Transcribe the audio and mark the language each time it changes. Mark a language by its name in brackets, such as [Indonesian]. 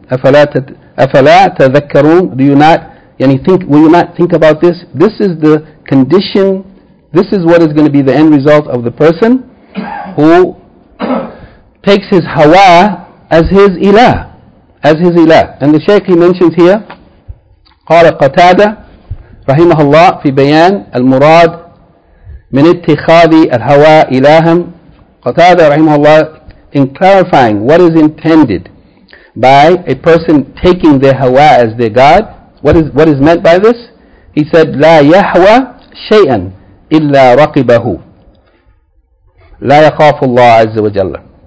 [Arabic] أَفَلَا تَذَكَّرُونَ. [English] Do you not, yani think, will you not think about this? This is the condition, this is what is going to be the end result of the person who takes his hawa as his ilah, as his ilah. And the shaykh he mentions here, [Arabic] قال قتادة رحمه الله في بيان المراد من اتخاذ الهوى إلها. قتادة رحمه الله, [English] in clarifying what is intended by a person taking their هوى as their god, what is meant by this, he said [Arabic] لا يهوى شيئا إلا رقبه لا يخاف الله عز وجل.